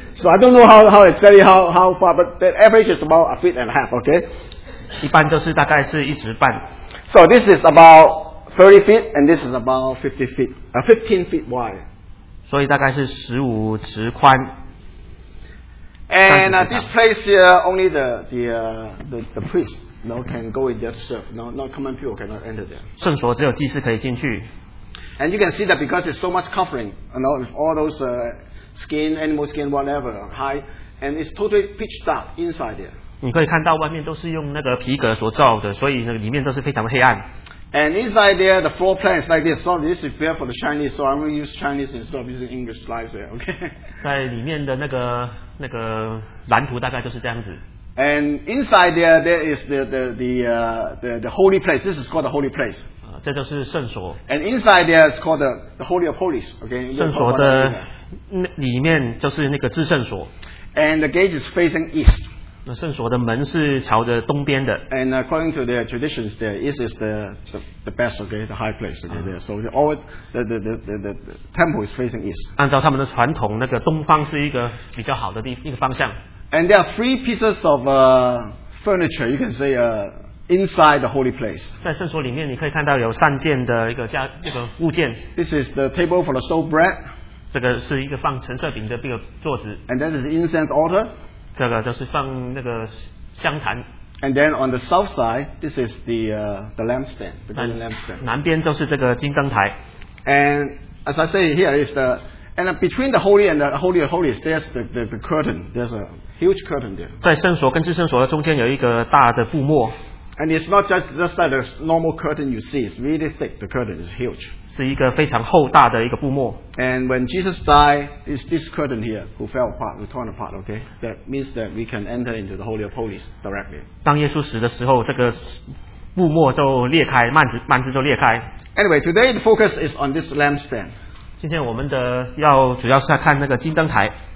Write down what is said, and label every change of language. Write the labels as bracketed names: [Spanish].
[English] So I don't know how exactly how far, but the average is about a feet and a half, okay? [Chinese] 一般就是大概是一尺半。 [English] So this is about 30 feet, and this is about 15 feet wide. [Chinese] 所以大概是15尺宽。 [English] And this place here, only the priest, you know, can go in there to serve. No, not common people cannot enter there. [Chinese] 圣所只有祭司可以进去。 [English] And you can see that because it's so much covering, you know, with all those skin, animal skin, whatever, hide, and it's totally pitch dark inside there. [Chinese] 你可以看到外面都是用那个皮革所罩的，所以那个里面都是非常的黑暗。 [English] And inside there, the floor plan is like this. So this is prepared for the Chinese, so I'm going to use Chinese instead of using English slides there, okay? [Chinese] 在里面的那个蓝图大概就是这样子。 [English] And inside there is the holy place. This is called the holy place. [Chinese] 这就是圣所。 [English] And inside there is called the Holy of Holies. Okay. [Chinese] 圣所的里面就是那个至圣所。 [English] And the gate is facing east. [Chinese] 那圣所的门是朝着东边的。 [English] And according to their traditions, there east is the best. Okay, the high place. Okay, there. So always the temple is facing east. [Chinese] 按照他们的传统，那个东方是一个比较好的一个方向。 [English] And there are three pieces of furniture. You can say inside the holy place. [Chinese] 在圣所里面，你可以看到有三件的一个物件。 [English] This is the table for the stove bread. [Chinese] 这个是一个放陈设饼的一个桌子。 [English] And that is the incense altar. [Chinese] 这个就是放那个香坛。 [English] And then on the south side, this is the lampstand, the golden lampstand. [Chinese] 南边就是这个金灯台。 [English] And as I say here is the and between the holy and the holy of holies, there's the curtain. There's a huge curtain there. [Chinese] 在圣所跟至圣所的中间有一个大的布幕。 [English] And it's not just like the normal curtain you see. It's really thick. The curtain is huge. [Chinese] 是一个非常厚大的一个布幕。 [English] And when Jesus died, it's this curtain here who fell apart, who torn apart. Okay, that means that we can enter into the Holy of Holies directly. [Chinese] 当耶稣死的时候，这个布幕就裂开，幔子就裂开。 [English] Anyway, today the focus is on this lampstand. [Chinese] 今天我们的要主要是在看那个金灯台。